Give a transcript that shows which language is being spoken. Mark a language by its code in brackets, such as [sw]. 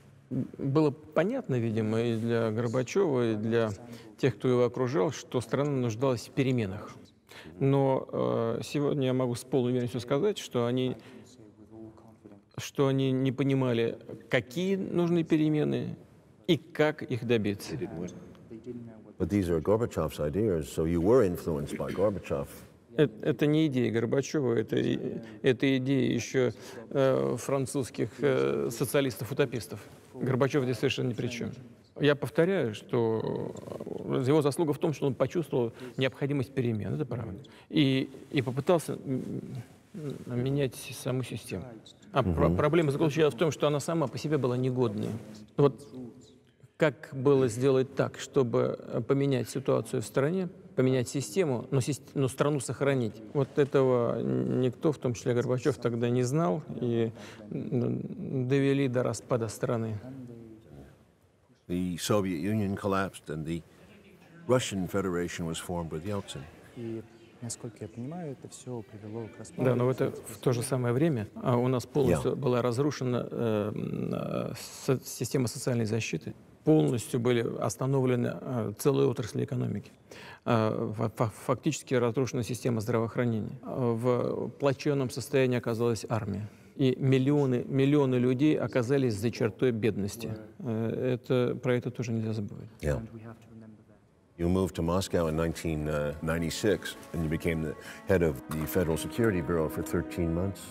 [ru] Было понятно, видимо, и для Горбачева, и для тех, кто его окружал, что страна нуждалась в переменах. Но сегодня я могу с полной уверенностью сказать, что они не понимали, какие нужны перемены и как их добиться. [en] But these are Gorbachev's ideas, so you were influenced by Gorbachev. [ru] Это не идеи Горбачева, это идеи еще французских социалистов-утопистов. Горбачев здесь совершенно ни при чем. Я повторяю, что его заслуга в том, что он почувствовал необходимость перемен, это правда, и попытался менять саму систему. А проблема заключалась в том, что она сама по себе была негодная. Вот как было сделать так, чтобы поменять ситуацию в стране, поменять систему, но страну сохранить. Вот этого никто, в том числе Горбачев, тогда не знал и довели до распада страны. [en] The Soviet Union collapsed and the Russian Federation was formed with Yeltsin. [ru] И, насколько я понимаю, это все привело к распаду. Да, но это в то же самое время, а у нас полностью была разрушена система социальной защиты. Полностью были остановлены целые отрасли экономики. Фактически разрушена система здравоохранения. В плачевном состоянии оказалась армия. И миллионы людей оказались за чертой бедности. Про это тоже нельзя забывать. [en] Yeah. You moved to Moscow in 1996, and you became the head of the Federal Security Bureau for 13 months.